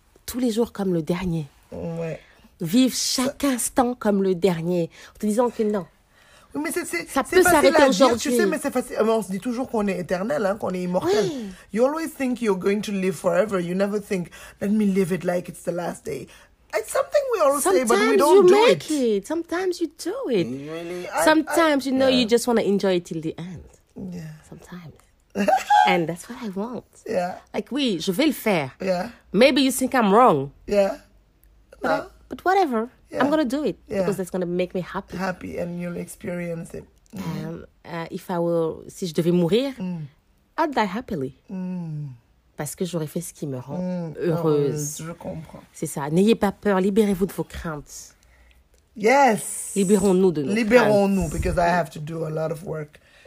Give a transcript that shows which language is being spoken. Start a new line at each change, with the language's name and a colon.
French: Tous les jours comme le dernier. Ouais. Vive chaque instant comme le dernier. En te disant que non. Oui, mais c'est ça peut s'arrêter aujourd'hui. Tu sais, mais c'est facile. Mais on se dit toujours qu'on est éternel, hein, qu'on est immortel. Oui.
English: You always think you're going to live forever. You never think, let me live it like it's the last day. It's something we all sometimes say, but we don't do it. Sometimes you make it. Sometimes you do it. Really? Sometimes you just want to enjoy it till the end. Yeah. Sometimes. And that's what I want. Yeah. Like,
French: oui, je vais le faire.
English: Yeah. Maybe you think I'm wrong. Yeah. No. But whatever. Yeah. I'm going to do it. Yeah. Because that's going to make me happy. Happy and you'll experience it.
French: Mm. Si je devais mourir,
English: I'd die happily. Mm.
French: Parce que j'aurais fait ce qui me rend heureuse. Je comprends. C'est ça. N'ayez pas peur. Libérez-vous de vos craintes.
English: Yes.
French: Libérons-nous de nos Libérons-nous
English: because I have to do a lot of work.